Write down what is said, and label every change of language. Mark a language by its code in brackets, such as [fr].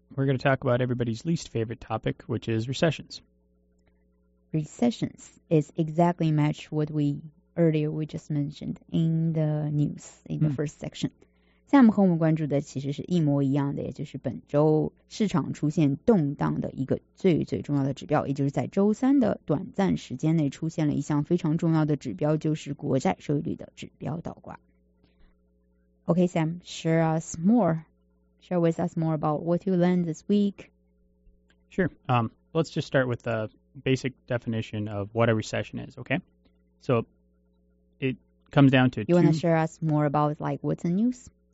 [en] We're going to talk about everybody's least favorite topic, which is recessions. Recessions is exactly match what we just mentioned in the news, in the first section. [zh] Sam 和我们关注的其实是一模一样的，也就是本周市场出现动荡的一个最最重要的指标，也就是在周三的短暂时间内出现了一项非常重要的指标，就是国债收益率的指标倒挂。 [en] Okay, Sam, share us more. Share with us more about what you learned this week. Sure. Let's just start with the basic definition of what a recession is, okay? So it comes down to You want to share us more about, like, what's the news?